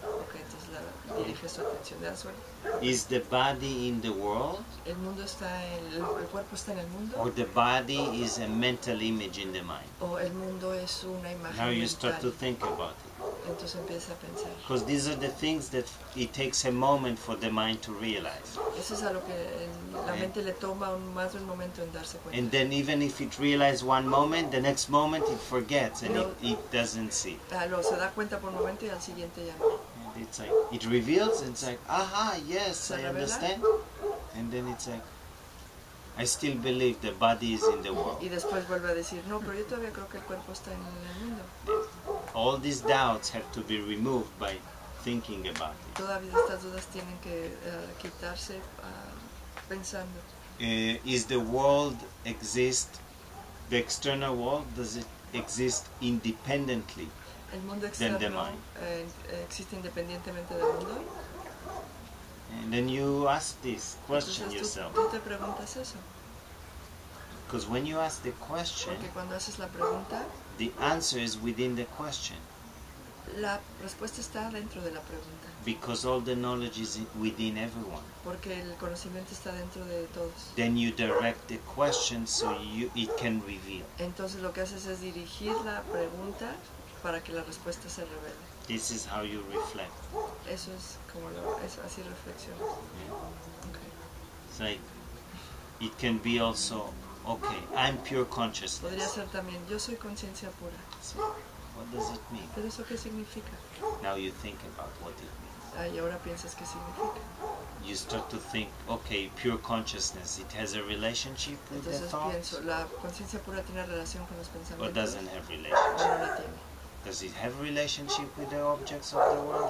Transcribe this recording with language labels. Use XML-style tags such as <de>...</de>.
<es>Okay, entonces la diriges su atención de azul.</es> <en>Is the body in the world?</en> <es>El mundo está en el cuerpo está en el mundo.</es> <en>Or the body is a mental image in the mind.</en> <es>O el mundo es una imagen mental.</es> <en>Now you start to think about it.</en> <es>Entonces empieza a pensar.</es> <en>Because these are the things that it takes a moment for the mind to realize.</en> <es>Eso es a lo que la mente le toma más de un momento en darse cuenta.</es> <en>And then even if it realizes one moment, the next moment it forgets and it doesn't see.</en> <es>Lo se da cuenta por un momento y al siguiente ya no.</es> <en>It's like it reveals. And it's like, aha, yes, I understand. And then it's like, I still believe the body is in the world.</en> <es>Y después vuelve a decir, no, pero yo todavía creo que el cuerpo está en el mundo.</es> <en>All these doubts have to be removed by thinking about it.</en> <es>Todavía estas dudas tienen que quitarse pensando.</es> <en>Is the world exist, the external world, does it exist independently</en> <es>el mundo externo,</es> <en>than the mind?</en> <es>¿Existe independientemente del mundo?</es> <en>And then you ask this question yourself.</en> <es>Entonces, ¿tú te preguntas eso?</es> <en>Because when you ask the question,</en> <es>porque cuando haces la pregunta,</es> <en>the answer is within the question.</en> <es>La respuesta está dentro de la pregunta.</es> <en>Because all the knowledge is within everyone.</en> <es>Porque el conocimiento está dentro de todos.</es> <en>Then you direct the question so it can reveal.</en> <es>Entonces lo que haces es dirigir la pregunta para que la respuesta se revele.</es> <en>This is how you reflect.</en> <es>Eso es como lo, eso, así reflexiono.</es> <en>Yeah. Okay. It's like, it can be also, okay, I'm pure consciousness.</en> <es>Podría ser también, yo soy conciencia pura.</es> <en>So, what does it mean?</en> <es>¿Pero eso qué significa?</es> <en>Now you think about what it means.</en> <es>Ah, y ahora piensas qué significa.</es> <en>You start to think, okay, pure consciousness, it has a relationship with</en> <es>entonces</es> <en>the</en> <es>pienso, Entonces pienso, la conciencia pura tiene relación con los pensamientos.</es> <en>Or doesn't have relationship.</en> <es>No la tiene.</es> <en>Does it have relationship with the objects of the world?</en>